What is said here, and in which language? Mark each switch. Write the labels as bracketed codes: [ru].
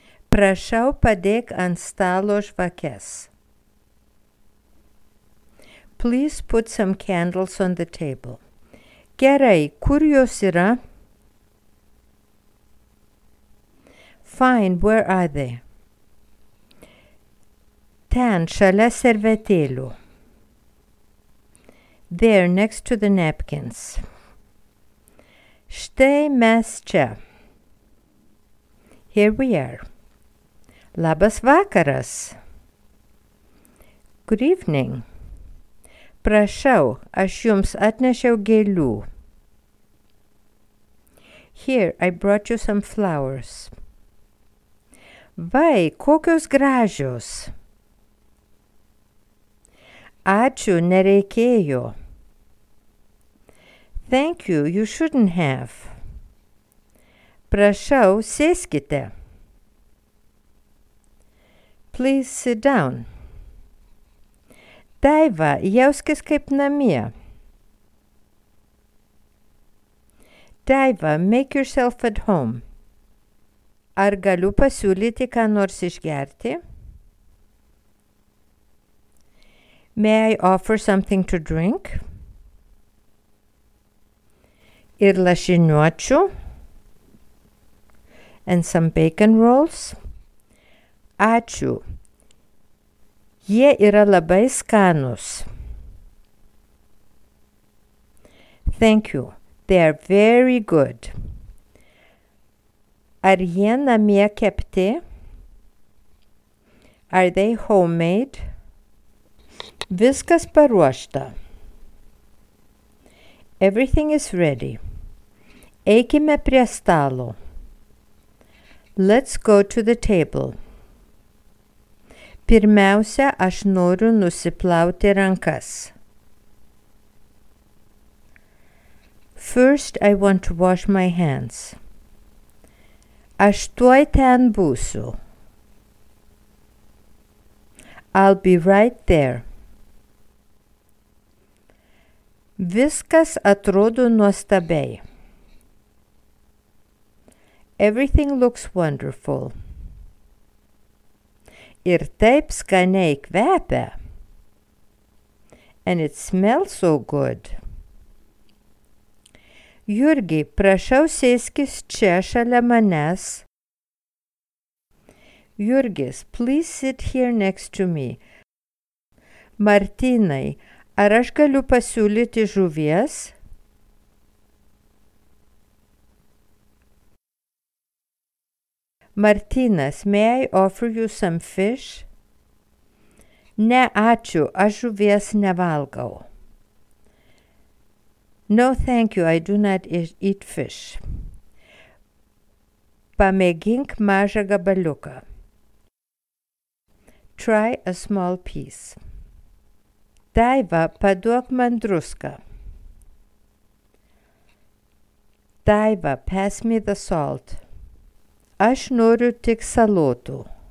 [lt] Prašau, padėk ant stalo žvakes. [en] Please put some candles on the table. [lt] Gerai, kur jos yra? [en] Fine, where are they? [lt] Ten, šalia servetėlių. [en] There, next to the napkins. [lt] Štai mes čia. [en] Here we are. [lt] Labas vakaras. [en] Good evening. [lt] Prašau, aš jums atnešiau gėlių. [en] Here, I brought you some flowers. [lt] Vai, kokios gražios. Ačiū, nereikėjo. [en] Thank you, you shouldn't have. [lt] Prašau, sėskite. [en] Please sit down. [lt] Daiva, jauskis kaip namie. [en] Daiva, make yourself at home. [lt] Ar galiu pasiūlyti ką nors išgerti? [en] May I offer something to drink? [lt] Ir lašiniuočių? [en] And some bacon rolls? [lt] Ačiū. Jie yra labai skanus. [en] Thank you. They are very good. [lt] Ar jie namie kepti? [en] Are they homemade? [lt] Viskas paruošta. [en] Everything is ready. [lt] Eikime prie stalo. [en] Let's go to the table. [lt] Pirmiausia, aš noriu nusiplauti rankas. [en] First, I want to wash my hands. [lt] Aš tuoj ten būsiu. [en] I'll be right there. [lt] Viskas atrodo nuostabiai. [en] Everything looks wonderful. [lt] Ir taip skaniai kvepia. [en] And it smells so good. [lt] Jurgi, prašau sėskis čia šalia manęs. [en] Jurgis, please sit here next to me. [lt] Martinai, ar aš galiu pasiūlyti žuvies? [en] Martinas, may I offer you some fish? [lt] Ne, ačiū, aš žuvies nevalgau. [en] No, thank you, I do not eat fish. [lt] Pamėgink mažą gabaliuką. [en] Try a small piece. [lt] Daiva, paduok man druską. [en] Daiva, pass me the salt. [lt] Aš noriu tik salotų.